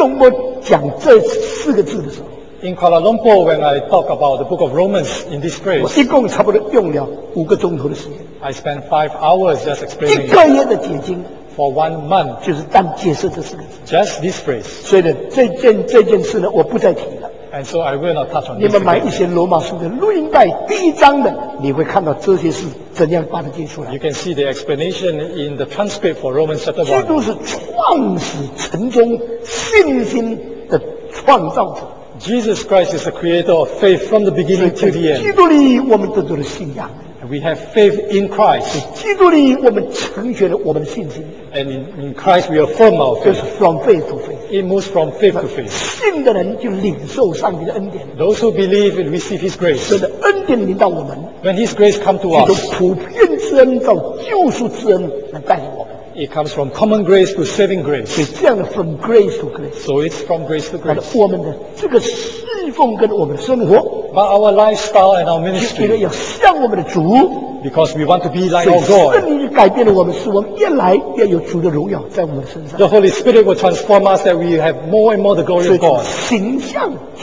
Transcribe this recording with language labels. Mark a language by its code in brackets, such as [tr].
[zh] 我在罗马书在这个吉隆坡讲这四个字的时候。 [en] In Kuala Lumpur, when I talk about the book of Romans in this phrase, [zh] 我一共差不多用了5个钟头的时间。 [en] I spent 5 hours just explaining. [zh] 一个月的解经。 [en] For 1 month, [zh] 就是单解释这四个字。 [en] Just this phrase. [zh] 所以呢，这件事呢， 我不再提了。 [en] And so I will not touch on this. [zh] 你们买一些罗马书的录音带，第一章的， 你会看到这些是怎样把它解出来。 [en] You can see the explanation in the transcript for Romans chapter 1. [zh] 基督是创始成终信心的创造者。 [en] Jesus Christ is the creator of faith from the beginning to the end. [zh] 基督里我们得到了信仰。 [en] We have faith in Christ. [zh] 基督里我们成全了我们的信心。 [en] And in Christ we affirm our faith. [zh] 就是 [en] from faith to faith. It moves from faith to faith. [zh] 信的人就领受上帝的恩典。 [en] Those who believe and receive His grace. [zh] 是的，恩典临到我们。 [en] When His grace comes to us. [zh] 就从普遍之恩到救赎之恩来带领我们。 [en] It comes from common grace to saving grace. [zh] 所以这样的 [en] from grace to grace. So it's from grace to grace. [zh] 我们的这个侍奉跟我们的生活。 [en] But our lifestyle and our ministry. [zh] 因为要像我们的主。 [en] Because we want to be like our God. [zh] 圣灵改变了我们，使我们越来越有主的荣耀在我们身上。 [en] The Holy Spirit will transform us that we have more and more the glory of God.